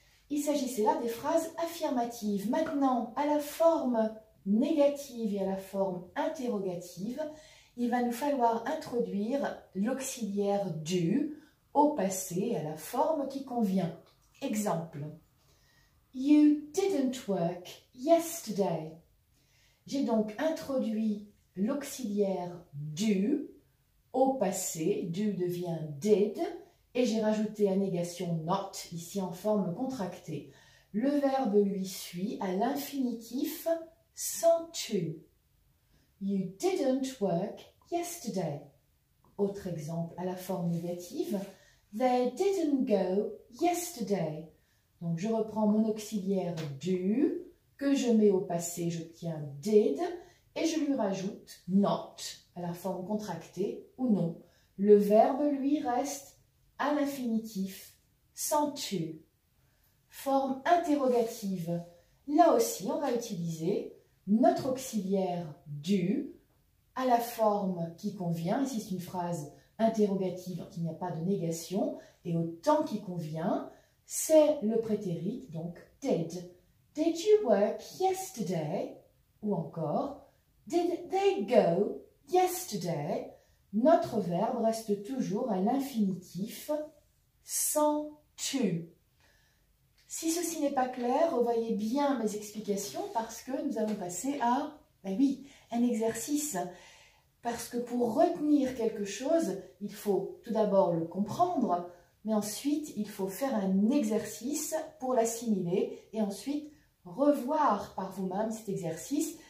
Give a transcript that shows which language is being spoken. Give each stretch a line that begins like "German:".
French: Il s'agissait là des phrases affirmatives. Maintenant, à la forme négative et à la forme interrogative, il va nous falloir introduire l'auxiliaire « du » au passé à la forme qui convient. Exemple.
English: You didn't work yesterday.
French: J'ai donc introduit l'auxiliaire « du » au passé. « Du » devient « did » et j'ai rajouté la négation « not » ici en forme contractée. Le verbe lui suit à l'infinitif sans « to ».
English: You didn't work yesterday.
French: Autre exemple à la forme négative.
English: They didn't go yesterday.
French: Donc je reprends mon auxiliaire du que je mets au passé, j'obtiens did et je lui rajoute not à la forme contractée ou non. Le verbe lui reste à l'infinitif sans tu. Forme interrogative. Là aussi, on va utiliser notre auxiliaire du à la forme qui convient, ici c'est une phrase interrogative, donc il n'y a pas de négation, et au temps qui convient, c'est le prétérit, donc did.
English: Did you work yesterday?
French: Ou encore,
English: did they go yesterday?
French: Notre verbe reste toujours à l'infinitif sans tu. Si ceci n'est pas clair, revoyez bien mes explications parce que nous allons passer à, ben oui, un exercice. Parce que pour retenir quelque chose, il faut tout d'abord le comprendre, mais ensuite il faut faire un exercice pour l'assimiler et ensuite revoir par vous-même cet exercice.